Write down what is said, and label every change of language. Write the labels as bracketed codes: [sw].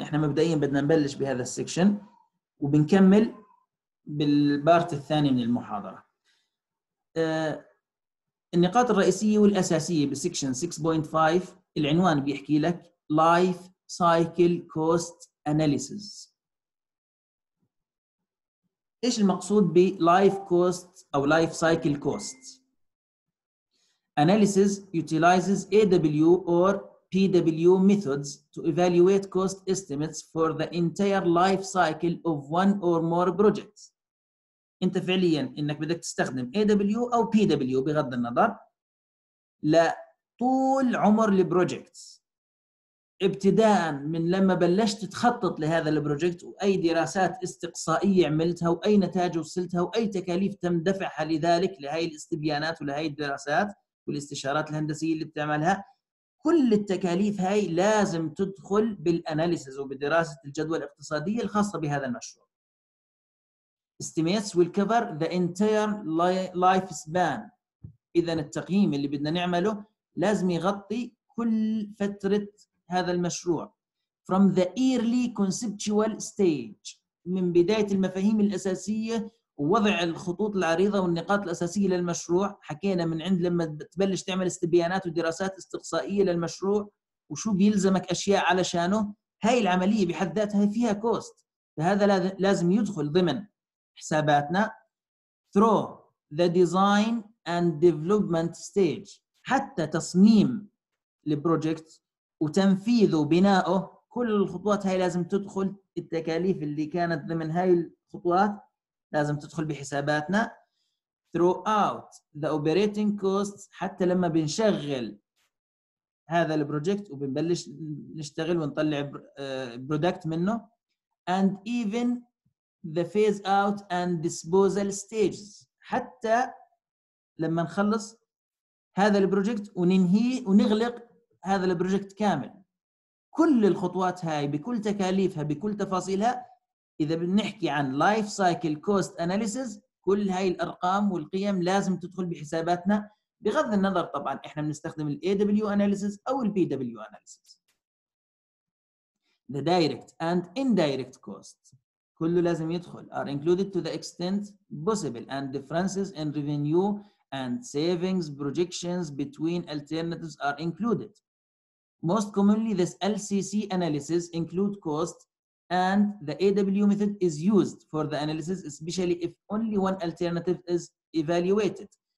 [ar] احنا مبدئيا بدنا نبلش بهذا السكشن وبنكمل بالبارت الثاني من المحاضرة. النقاط الرئيسية والأساسية بسكشن 6.5، العنوان بيحكي لك Life Cycle Cost Analysis. إيش المقصود بـ [en] Life Cost أو Life Cycle Cost Analysis utilizes AW or PW methods to evaluate cost estimates for the entire life cycle of one or more projects. [ar] انت فعليا انك بدك تستخدم AW او PW بغض النظر لطول عمر البروجكت، ابتداء من لما بلشت تخطط لهذا البروجكت، واي دراسات استقصائية عملتها واي نتائج وصلتها واي تكاليف تم دفعها لذلك، لهي الاستبيانات ولهي الدراسات والاستشارات الهندسية اللي بتعملها، كل التكاليف هاي لازم تدخل بالاناليسز وبدراسة الجدوى الاقتصادية الخاصة بهذا المشروع. [en] Estimates will cover the entire life span. [ar] إذا التقييم اللي بدنا نعمله لازم يغطي كل فترة هذا المشروع. [en] From the early conceptual stage. [ar] من بداية المفاهيم الأساسية ووضع الخطوط العريضة والنقاط الأساسية للمشروع. حكينا من عند لما تبلش تعمل استبيانات ودراسات استقصائية للمشروع وشو بيلزمك أشياء علشانه. هاي العملية بحد ذاتها فيها كوست. فهذا لازم يدخل ضمن حساباتنا. [en] Through the design and development stage. [ar] حتى تصميم البروجكت وتنفيذه وبنائه كل الخطوات هاي لازم تدخل، التكاليف اللي كانت ضمن هاي الخطوات لازم تدخل بحساباتنا. [en] Throughout the operating costs. [ar] حتى لما بنشغل هذا البروجكت وبنبلش نشتغل ونطلع برودكت منه. [en] And even the phase out and disposal stages. [ar] حتى لما نخلص هذا البروجكت وننهيه ونغلق هذا البروجكت كامل، كل الخطوات هاي بكل تكاليفها بكل تفاصيلها، اذا بنحكي عن life cycle cost analysis كل هاي الارقام والقيم لازم تدخل بحساباتنا بغض النظر طبعا احنا بنستخدم الـ AW analysis او الـ PW analysis. [en] The direct and indirect costs [ar] كله لازم يدخل [en] are included to the extent possible and differences in revenue and savings projections between alternatives are included. Most commonly this LCC analysis include costs and the AW method is used for the analysis especially if only one alternative is evaluated.